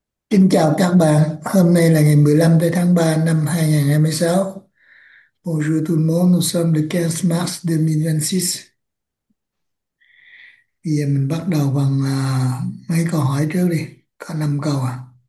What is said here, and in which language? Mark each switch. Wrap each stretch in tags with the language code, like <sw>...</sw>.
<vi>Xin chào các bạn, hôm nay là ngày 15 tháng 3 năm 2026.</vi> <fr>Bonjour tout le monde, nous sommes le 15 mars 2026.</fr> <vi>Giờ mình bắt đầu bằng mấy câu hỏi trước đi, có 5 câu à.</vi>